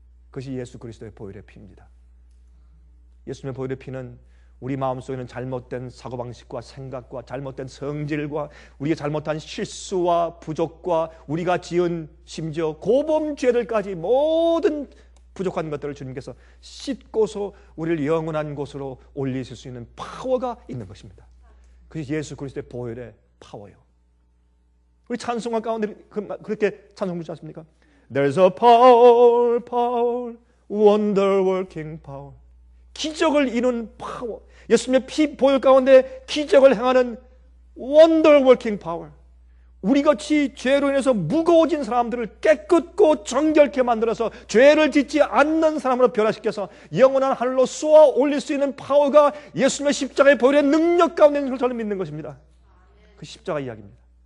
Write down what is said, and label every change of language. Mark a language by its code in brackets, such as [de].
[ko] 그것이 예수 그리스도의 보혈의 피입니다. 예수님의 보혈의 피는 우리 마음속에는 잘못된 사고방식과 생각과 잘못된 성질과 우리가 잘못한 실수와 부족과 우리가 지은 심지어 고범죄들까지 모든 부족한 것들을 주님께서 씻고서 우리를 영원한 곳으로 올리실 수 있는 파워가 있는 것입니다. 그 예수 그리스도의 보혈의 파워요. 우리 찬송가 가운데 그렇게 찬송 부르지 않습니까? [en] There's a power, power, wonder-working power. [ko] 기적을 이룬 파워. 예수님의 피 보혈 가운데 기적을 행하는 [en] wonder-working power. [ko] 우리같이 죄로 인해서 무거워진 사람들을 깨끗고 정결케 만들어서 죄를 짓지 않는 사람으로 변화시켜서 영원한 하늘로 쏘아 올릴 수 있는 파워가 예수님의 십자가의 보혈의 능력 가운데 있는 것을 저는 믿는 것입니다. 그 십자가 이야기입니다.